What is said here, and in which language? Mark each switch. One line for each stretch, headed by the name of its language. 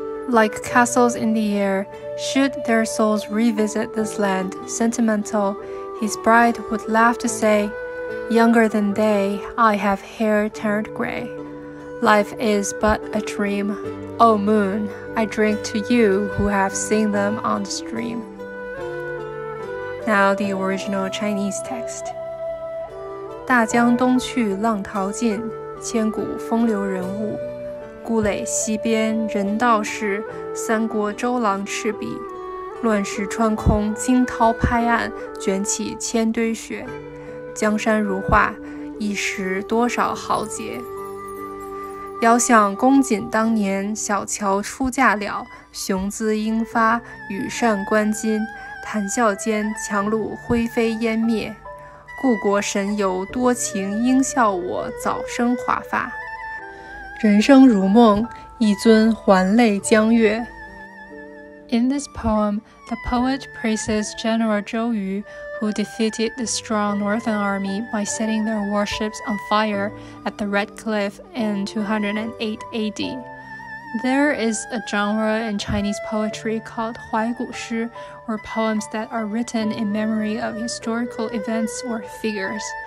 English: Like castles in the air, should their souls revisit this land, sentimental, his bride would laugh to say, younger than they, I have hair turned gray. Life is but a dream. O moon, I drink to you who have seen them on the stream. Now the original Chinese text.
Chinese: 大江东去浪淘尽，千古风流人物。故垒西边人道是，三国周郎赤壁。乱石穿空惊涛拍岸，卷起千堆雪。江山如画，一时多少豪杰。遥想公瑾当年，小乔出嫁了，雄姿英发，羽扇纶巾。谈笑间，樯橹灰飞烟灭。故国神游多情，应笑我早生华发。人生如梦，一尊还酹江月。
English: In this poem, the poet praises General Zhou Yu, who defeated the strong northern army by setting their warships on fire at the Red Cliff in 208 AD. There is a genre in Chinese poetry called 怀古诗, or poems that are written in memory of historical events or figures.